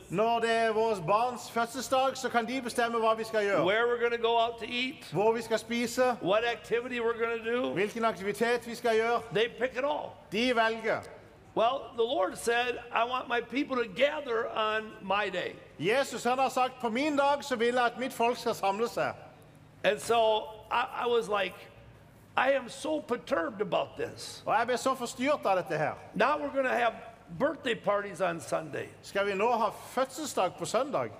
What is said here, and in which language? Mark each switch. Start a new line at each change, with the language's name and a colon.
Norwegian: Når det vores barns fødselsdag, så kan de bestemme hva vi skal gjøre.
English: Where we're going to go out to eat.
Norwegian: Hvor vi skal spise.
English: What activity we're going to do.
Norwegian: Hvilken aktivitet vi skal gjøre.
English: They pick it all.
Norwegian: De velger.
English: Well, the Lord said, I want my people to gather on my day.
Norwegian: Jesus han har sagt, på min dag så vil jeg at mitt folk skal samle seg.
English: And so I was like, I am so perturbed about this.
Norwegian: Og jeg ble så forstyrret av dette her.
English: Now we're going to have birthday parties on Sunday.
Norwegian: Skal vi nå ha fødselsdag på søndag?